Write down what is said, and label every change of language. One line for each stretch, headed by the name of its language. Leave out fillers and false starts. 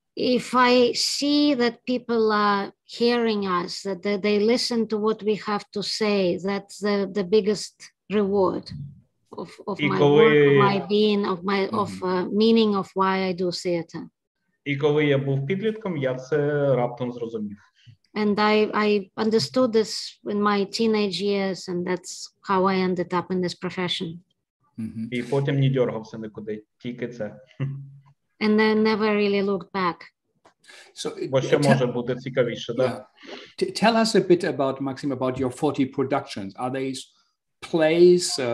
English: If I see that people are hearing us, that they listen to what we have to say, that's the biggest reward of my work, my being, of my of meaning of why I do theater.
Ukrainian: І коли я був підлітком, я це раптом зрозумів.
English: And I understood this in my teenage years, and that's how I ended up in this profession.
Ukrainian: І потім не дергався нікуди, тільки це.
English: And then never really looked back.
Ukrainian: So, бо що може бути цікавіше, да?
English: Tell us a bit about, Maxim, about your 40 productions. Are they plays?